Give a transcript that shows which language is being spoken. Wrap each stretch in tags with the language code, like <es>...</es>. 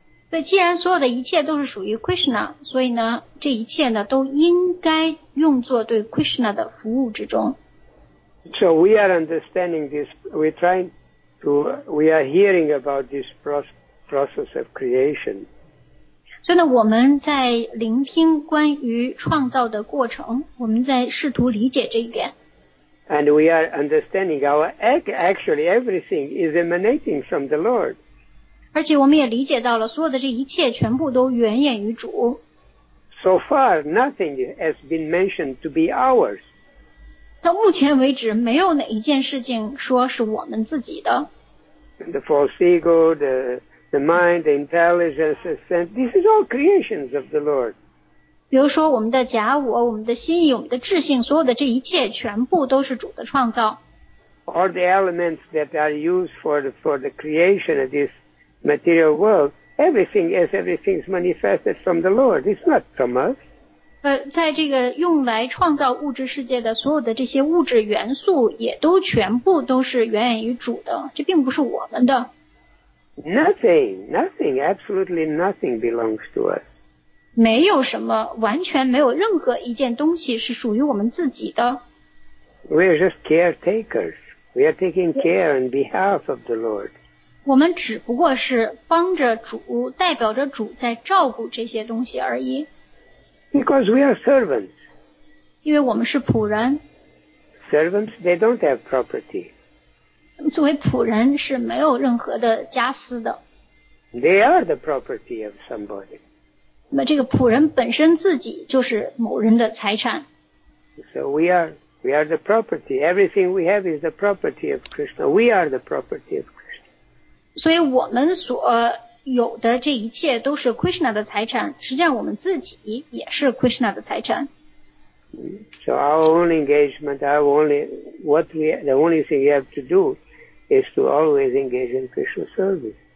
<zh>对，既然所有的一切都是属于 Krishna, 所以呢，这一切呢，都应该用作对 Krishna 的服务之中。</zh> <en>So we are understanding this, we are hearing about this process of creation.</en> <zh>所以呢，我们在聆听关于创造的过程，我们在试图理解这一点。</zh> <en>And we are understanding actually everything is emanating from the Lord.</en> <zh>而且我们也理解到了，所有的这一切全部都源远于主。</zh> <en>So far, nothing has been mentioned to be ours.</en> <zh>到目前为止没有哪一件事情说是我们自己的</zh> <en>the false ego, the mind, the intelligence, this is all creations of the Lord.</en> <zh>比如说我们的假我我们的心意我们的智性所有的这一切全部都是主的创造</zh> <en>all the elements that are used for the creation of this material world everything is manifested from the Lord, it's not from us.</en> <zh>在这个用来创造物质世界的所有的这些物质元素也都全部都是源远于主的这并不是我们的</zh> <en>Nothing, absolutely nothing belongs to us</en> <zh>没有什么完全没有任何一件东西是属于我们自己的</zh> <en>We are just caretakers We are taking care on behalf of the Lord</en> <zh>我们只不过是帮着主代表着主在照顾这些东西而已</zh> <en>Because we are servants.</en> <zh>因为我们是仆人。</zh> <en>Servants, they don't have property.</en> <zh>作为仆人是没有任何的家私的。</zh> <en>They are the property of somebody.</en> <zh>那么这个仆人本身自己就是某人的财产。</zh> <en>So we are the property. Everything we have is the property of Krishna. We are the property of Krishna.</en> <zh>所以我们所有的这一切都是 Krishna 的财产实际上我们自己也是 Krishna 的财产</zh> <en>So our only engagement the only thing we have to do is to always engage in Krishna service</en>